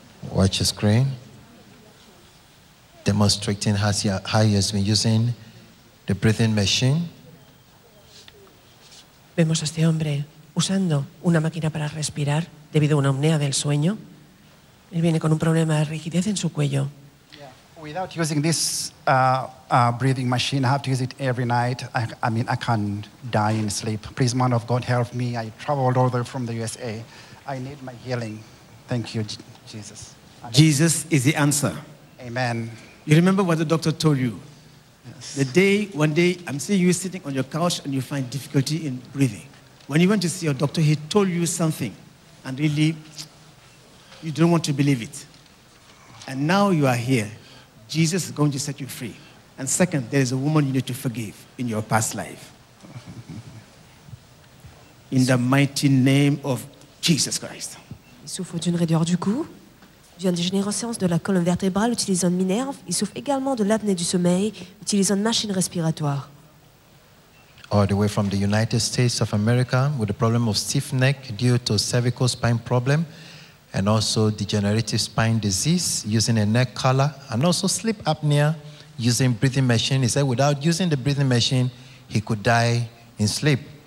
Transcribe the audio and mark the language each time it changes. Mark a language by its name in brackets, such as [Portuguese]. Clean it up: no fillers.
[English] Watch your screen. Demonstrating how he has been using the breathing machine. [Spanish] Vemos a este hombre usando una máquina para respirar debido a una apnea del sueño. Él viene con un problema de rigidez en su cuello. [English] Yeah. Without using this breathing machine, I have to use it every night. I mean, I can die in sleep. Please, man of God, help me. I traveled all the way from the USA. I need my healing. Thank you, Jesus. Jesus is the answer. Amen. You remember what the doctor told you? Yes. One day, I'm seeing you sitting on your couch and you find difficulty in breathing. When you went to see your doctor, he told you something. And really, you don't want to believe it. And now you are here. Jesus is going to set you free. And second, there is a woman you need to forgive in your past life. In the mighty name of Jesus Christ. [French] Il souffre d'une raideur du cou. D'une dégénérescence de la colonne vertébrale utilisant une minerve, il souffre également de l'apnée du sommeil utilisant une machine respiratoire. [English] All the way from the United States of America with a problem of stiff neck due to cervical spine problem and also degenerative spine disease using a neck collar and also sleep apnea using breathing machine. He said without using the breathing machine, he could die in sleep.